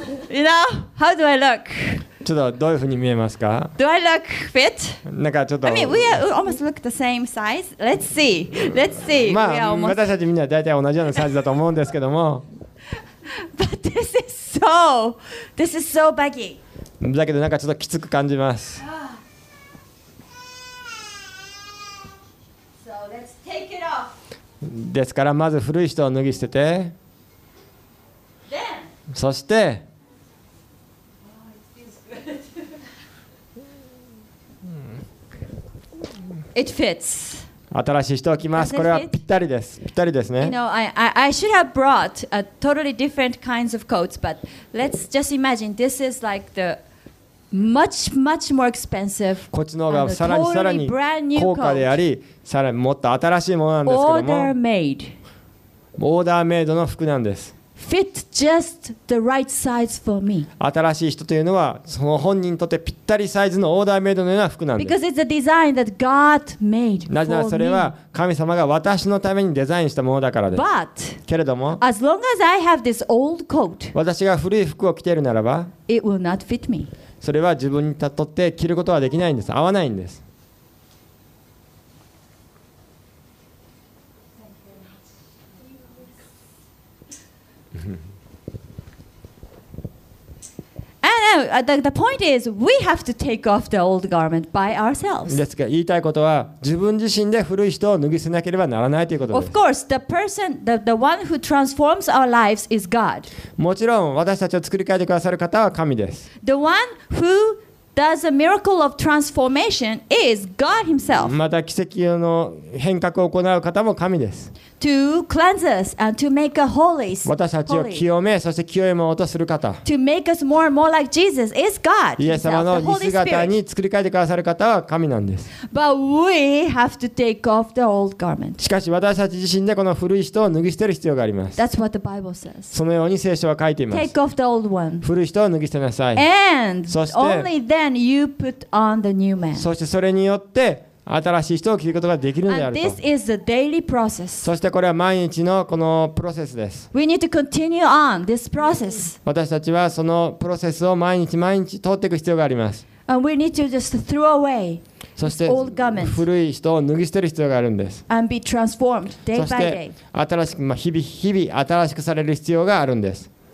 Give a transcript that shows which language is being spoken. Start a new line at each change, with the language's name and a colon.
English: You know, how do I look?
Japanese: ちょっとどういう風に見えますか?
English: Do I look fit?
Japanese: なんかちょっと…
English: I mean, we are almost look the same size. Let's see. Let's see.
Japanese: まあ、私たちみんな大体同じようなサイズだと思うんですけども。
English: But this is so baggy.
Japanese: だけどなんかちょっときつく感じます。
English: So let's take it off.
Japanese: ですからまず古い人を脱ぎ捨てて。
English: Then.
Japanese: そして。
English: It fits.
Japanese: 新しい人を着ます。これはぴったりです。ぴったりですね。
English: You know, I should have brought a totally different kinds of coats, but let's just imagine this is like the much much more expensive.
Japanese: こっちの方がさらにさらに高価であり、さらにもっと新しいものなんですけども。
English: Order made.
Japanese: オーダーメイドの服なんです。
English: Fit just the right size for me.
Japanese: 新しい人というのはその本人にとってぴったりサイズのオーダーメイドのような服なんです。
English: Because it's a design that God made for me.
Japanese: なぜならそれは神様が私のためにデザインしたものだからです。
English: But
Japanese: けれども、
English: as long as I have this old coat,
Japanese: 私が古い服を着ているならば、
English: it will not fit me.
Japanese: それは自分にとって着ることはできないんです。合わないんです。
English: The point is, we have to take off the old garment by ourselves.
Japanese: ですが、言いたいことは、自分自身で古い人を脱ぎ捨てなければならないということです。
English: Of course, the person, the one who transforms our lives is God.
Japanese: もちろん、私たちを作り変えてくださる方は神です。
English: The one who does a miracle of transformation is God himself.
Japanese: また奇跡の変革を行う方も神です。
English: To cleanse us and to make us holy.
Japanese: 私たちを清め、そして清いものとする方。
English: To make us more and more like Jesus is God.
Japanese: イエス様の似姿に作り変えてくださる方は神なんです。
English: But we have to take off the old garment.
Japanese: しかし私たち自身でこの古い人を脱ぎ捨てる必要があります。
English: That's what the Bible says.
Japanese: そのように聖書は書いています。
English: Take off the old one.
Japanese: 古い人を脱ぎ捨てなさい。
English: And
Japanese: そして
English: only then you put on the new man.
Japanese: そしてそれによって新しい人を着ることができるのであると。
English: And this is the daily process.
Japanese: そしてこれは毎日のこのプロセスです。
English: We need to continue on this process.
Japanese: 私たちはそのプロセスを毎日毎日通っていく必要があります。
English: And we need to just throw away this old garment.
Japanese: そして古い人を脱ぎ捨てる必要があるんです。
English: And be transformed day by day.
Japanese: そして新しく、まあ、日々新しくされる必要があるんです。